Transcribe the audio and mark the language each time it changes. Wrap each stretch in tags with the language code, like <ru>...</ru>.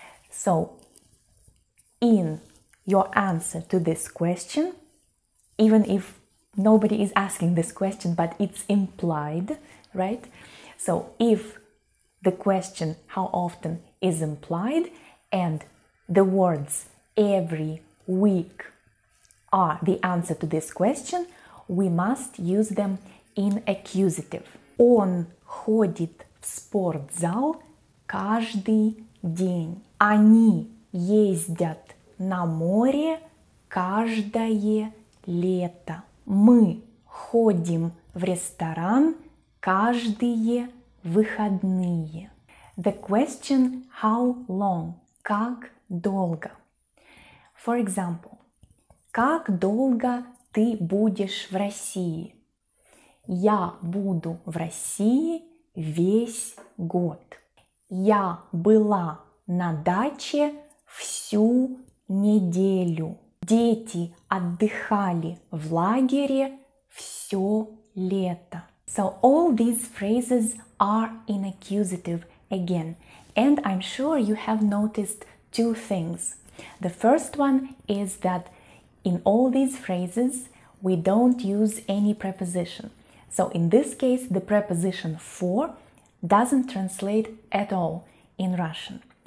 <en>So, in your answer to this question, even if nobody is asking this question, but it's implied, right? So, if the question how often is implied and the words every week are the answer to this question, we must use them in accusative.</en> <ru>Он ходит в спортзал каждый день. Они ездят на море каждое лето. Мы ходим в ресторан каждые выходные.</ru> <en>The question how long? Как долго?</en> <ru>For example, как долго ты будешь в России? Я буду в России весь год. Я была на даче всю неделю. Дети отдыхали в лагере все лето.</ru> <en>So all these phrases are in accusative again. And I'm sure you have noticed two things. The first one is that in all these phrases, we don't use any preposition. So in this case, the preposition for doesn't translate at all in Russian.</en>